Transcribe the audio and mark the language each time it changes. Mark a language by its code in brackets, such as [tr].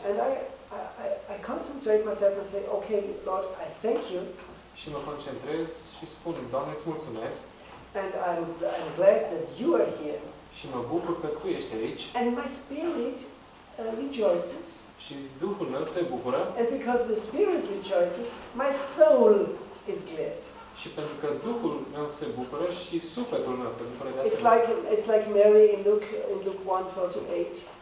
[en] And I concentrate myself and say, okay, Lord, I thank you. [ro] Și mă concentrez și spun, Doamne, îți mulțumesc. [en] And I'm glad that you are here. [ro] Și mă bucur că tu ești aici. [en] And my spirit rejoices. [ro] Și Duhul meu se bucură. [en] And because the spirit rejoices, my soul is glad. [ro] Și pentru că Duhul meu se bucură și sufletul meu se bucură de asta. [en] It's like Mary in Luke 1:48.